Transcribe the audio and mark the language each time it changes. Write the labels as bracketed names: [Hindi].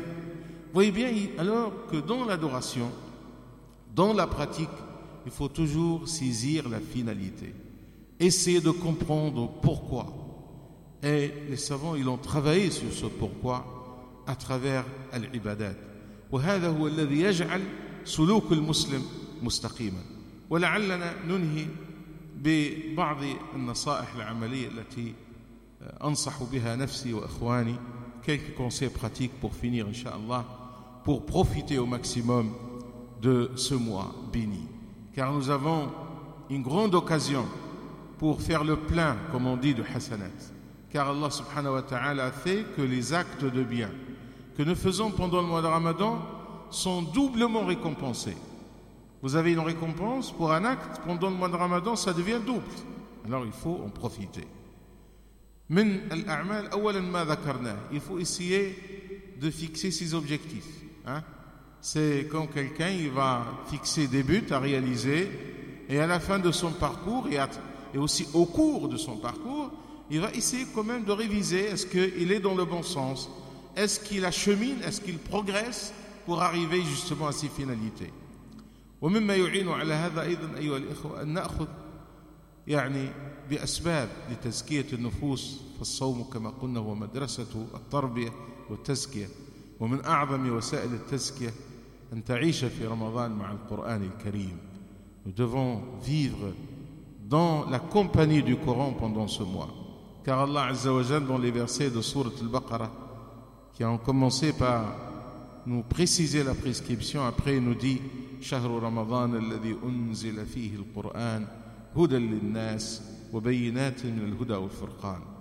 [French] Vous voyez bien alors que dans l'adoration, dans la pratique, il faut toujours saisir la finalité. Essayer de comprendre pourquoi. Et les savants, ils ont travaillé sur ce pourquoi à travers l'ibadat. [Arabic] وهذا هو الذي يجعل سلوك المسلم مستقيما. ولعلنا ننهي ببعض النصائح العملية التي أنصح بها نفسي وإخواني. [French] Quelques conseils pratiques pour finir, inshallah, pour profiter au maximum de ce mois béni. Car nous avons une grande occasion pour faire le plein, comme on dit, de hasanat. Car Allah subhanahu wa ta'ala a fait que les actes de bien que nous faisons pendant le mois de Ramadan sont doublement récompensés. Vous avez une récompense pour un acte pendant le mois de Ramadan, ça devient double. Alors il faut en profiter. [Arabic] من الأعمال أولا ما ذكرناه. [French] Il faut essayer de fixer ses objectifs. Hein? C'est comme quelqu'un il va fixer des buts à réaliser et à la fin de son parcours et aussi au cours de son parcours, il va essayer quand même de réviser est-ce qu'il est dans le bon sens, est-ce qu'il achemine, est-ce qu'il progresse pour arriver justement à ses finalités. [Arabic] ومما يعين على هذا أيضا أيها الإخوة أن نأخذ يعني بأسباب لتزكية النفوس فالصوم كما قلنا هو مدرسة التربية والتزكية ومن أعظم وسائل التزكية أن تعيش في رمضان مع القرآن الكريم. [French] Nous devons vivre dans la compagnie du Coran pendant ce mois. Car Allah عز وجل dans les versets de Sourate Al-Baqara qui ont commencé par nous préciser la prescription après il nous dit [Arabic] شهر رمضان الذي أنزل فيه القرآن هدى للناس وبينات من الهدى والفرقان.